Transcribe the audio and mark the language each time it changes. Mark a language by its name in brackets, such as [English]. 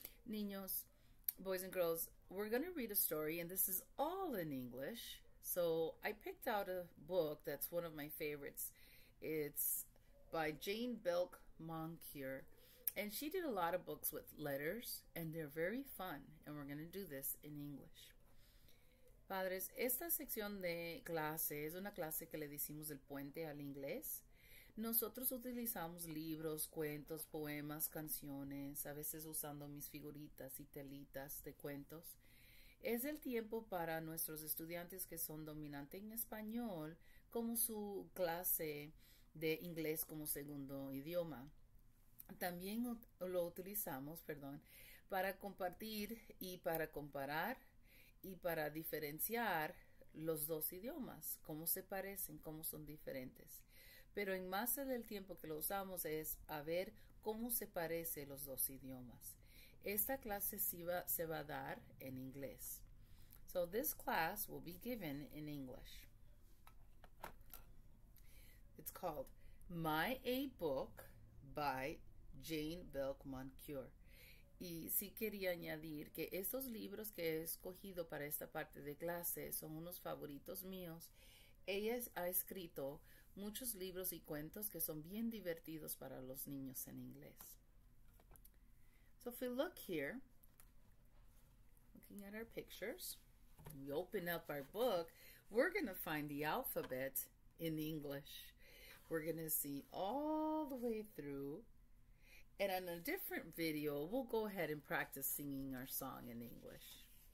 [English] Niños, boys and girls, we're going to read a story, and this is all in English. So I picked out a book that's one of my favorites. It's by Jane Belk Moncure, and she did a lot of books with letters, and they're very fun, and we're going to do this in English. [Spanish] Padres, esta sección de clase es una clase que le decimos del puente al inglés. Nosotros utilizamos libros, cuentos, poemas, canciones, a veces usando mis figuritas y telitas de cuentos. Es el tiempo para nuestros estudiantes que son dominantes en español como su clase de inglés como segundo idioma. También lo utilizamos, perdón, para compartir y para comparar y para diferenciar los dos idiomas, cómo se parecen, cómo son diferentes. Pero en más del tiempo que lo usamos es a ver cómo se parecen los dos idiomas. Esta clase se va a dar en inglés. [English] So this class will be given in English. It's called My A Book by Jane Belk Moncure. [Spanish] Y sí quería añadir que estos libros que he escogido para esta parte de clase son unos favoritos míos. Ella ha escrito muchos libros y cuentos que son bien divertidos para los niños en inglés. [English] So if we look here, looking at our pictures, we open up our book, we're going to find the alphabet in English. We're going to see all the way through. And on a different video, we'll go ahead and practice singing our song in English.